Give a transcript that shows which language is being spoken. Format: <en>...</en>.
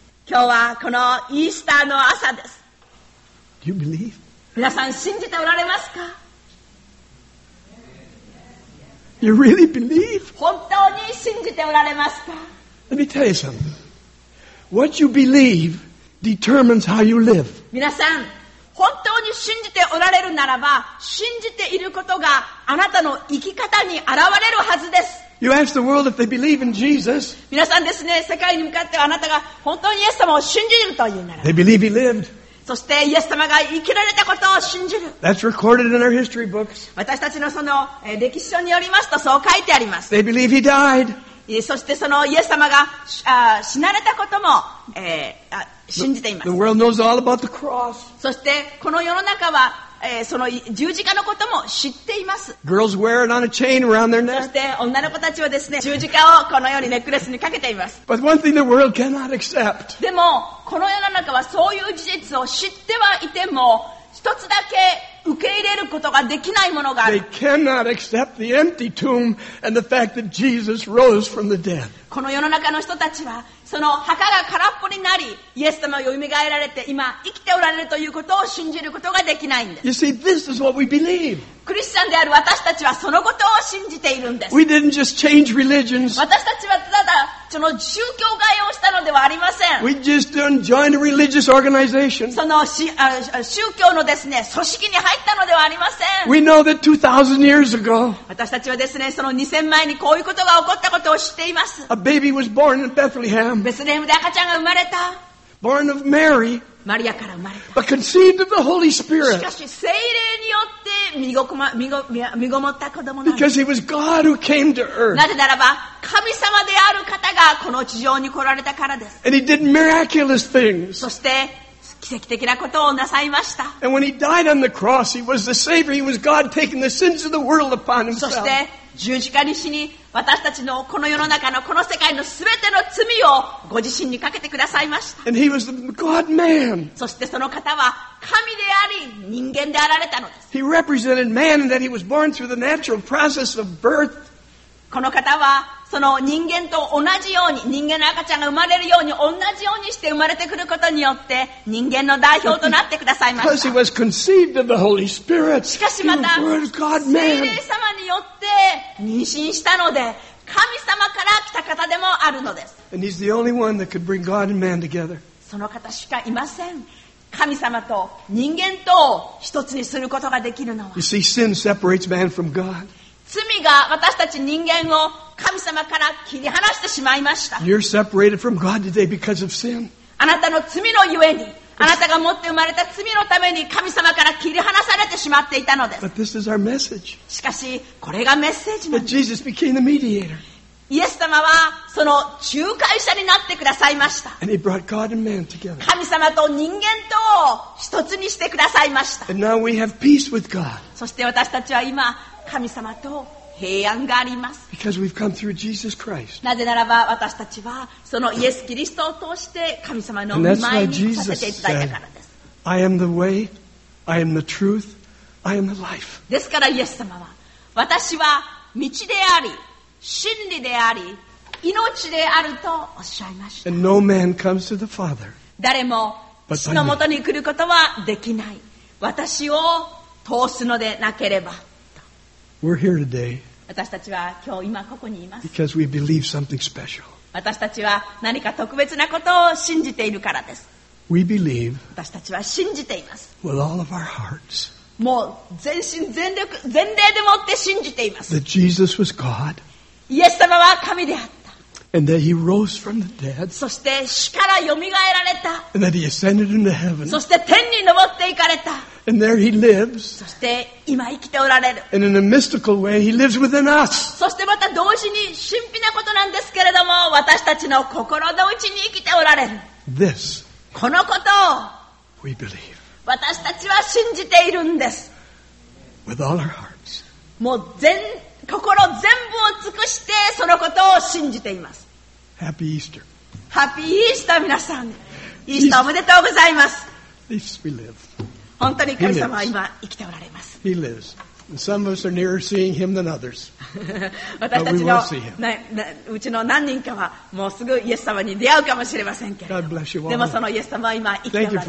<ja>今日はこのイースターの朝です。</ja> <en>Do you believe?</en> <ja>皆さん信じておられますか？</ja> <en>You really believe?</en> <ja>本当に信じておられますか？</ja> <en>Let me tell you somethingWhat you believe determines how you live.</en> <ja>皆さん、本当に信じておられるならば、信じていることがあなたの生き方に現れるはずです。</ja> <en>You ask the world if they believe in Jesus.</en> <ja>皆さんですね、世界に向かってあなたが本当にイエス様を信じるというなら、</ja> <en>They believe he lived.</en> <ja>そしてイエス様が生きられたことを信じる。</ja> <en>That's recorded in our history books.</en> <ja>私たちのその歴史書によりますとそう書いてあります。</ja> <en>They believe he died.</en> <ja>そしてそのイエス様が死なれたことも、信じています。</ja> <en>The world knows all about the cross.</en> <ja>そしてこの世の中は、その十字架のことも知っています。</ja> <en>Girls wear it on a chain around their neck.</en> <ja>そして女の子たちはですね、十字架をこのようにネックレスにかけています。</ja> <en>But one thing the world cannot accept.</en> <ja>でもこの世の中はそういう事実を知ってはいても、一つだけ受け入れることができないものがある。</ja> <en>They cannot accept the empty tomb and the fact that Jesus rose from the dead.</en> <ja>この世の中の人たちはその墓が空っぽになり、イエス様を蘇られて今生きておられるということを信じることができないんです。</ja> <en>You see, this is what we believe.</en> <ja>クリスチャンである私たちはそのことを信じているんです。</ja> <en>We didn't just change religions.</en> <ja>私たちはただその宗教変えをしたのではありません。</ja> <en>We just didn't join a religious organization.</en> <ja>その宗教のですね、組織に入ったのではありません。</ja> <en>We know that 2,000 years ago.</en> <ja>私たちはですね、その2000年前にこういうことが起こったことを知っています。</ja> <en>A baby was born in Bethlehem.</en> <ja>ベツレヘムで赤ちゃんが生まれた。</ja> <en>Born of Mary,</en> <ja>マリアから生まれた。</ja> <en>But conceived of the Holy Spirit.</en> <ja>しかし聖霊によって身ごもった子供なの。</ja> <en>Because he was God who came to earth.</en> <ja>なぜならば神様である方がこの地上に来られたからです。</ja> <en>And he did miraculous things.</en> <ja>そして奇跡的なことをなさいました。</ja> <en>And when he died on the cross, he was the Savior. He was God taking the sins of the world upon himself.</en> <ja>そして十字架に死に、私たちのこの世の中のこの世界のすべての罪をご自身にかけてくださいました。</ja> <en>And he was the God man.</en> <ja>そしてその方は神であり人間であられたのです。</ja> <en>He represented man in that he was born through the natural process of birth.</en> <ja>この方はその人間と同じように、人間の赤ちゃんが生まれるように同じようにして生まれてくることによって人間の代表となってくださいました。</ja> <en>Because he was conceived of the Holy Spirit.</en> <ja>しかしまた聖霊様によって妊娠したので神様から来た方でもあるのです。</ja> <en>And he's the only one that could bring God and man together.</en> <ja>その方しかいません。神様と人間と一つにすることができるのは、</ja> <en>You see, sin separates man from God.</en> <ja>罪が私たち人間を神様から切り離してしまいました。</ja> <en>You're separated from God today because of sin.</en> <ja>あなたの罪のゆえに、あなたが持って生まれた罪のために神様から切り離されてしまっていたのです。</ja> <en>But this is our message.</en> <ja>しかしこれがメッセージなんです。</ja> <en>But Jesus became the mediator.</en> <ja>イエス様はその仲介者になってくださいました。神様と人間とを一つにしてくださいました。そして私たちは今神様と平安があります。なぜならば私たちはそのイエス・キリストを通して神様の御前にさせていただいたからです。</ja> <en>I am the way, I am the truth, I am the life.</en> <ja>ですからイエス様は私は道であり真理であり命であるとおっしゃいました。</ja> <en>And no man comes to the Father,</en> <ja>誰も父のもとに来ることはできない、私を通すのでなければ。</ja> <en>We're here today.</en> <ja>私たちは今日今ここにいます。</ja> <en>Because we believe something special.</en> <ja>私たちは何か特別なことを信じているからです。</ja> <en>We believe.</en> <ja>私たちは信じています。</ja> <en>With all of our hearts.</en> <ja>もう全身全力全霊でもって信じています。</ja> <en>That Jesus was God.</en> <ja>イエス様は神であった。</ja> <en>And that He rose from the dead.</en> <ja>そして死からよみがえられた。</ja> <en>And that He ascended into heaven.</en> <ja>そして天に昇っていかれた。</ja> <en>And there he lives.</en> <ja>そして今生きておられる。</ja> <en>And in a mystical way, he lives within us.</en> <ja>そしてまた同時に神秘なことなんですけれども、私たちの心の内に生きておられる。</ja> <en>This.</en> <ja>このことを</ja> <en>we believe.</en> <ja>私たちは信じているんです。</ja> <en>With all our hearts.</en> <ja>もう心全部を尽くしてそのことを信じています。</ja> <en>Happy Easter. Happy Easter,</en> <ja>皆さん。イースターおめでとうございます。</ja> <en>This we live.</en> <ja>本当に神様は今生きておられます。</ja> <en>He lives. Some of us are nearer seeing him than others.</en> <ja>私たちのうちの何人かはもうすぐイエス様に出会うかもしれませんけど。</ja> <en>God bless you all.</en> <ja>でもそのイエス様は今生きておられます。</ja>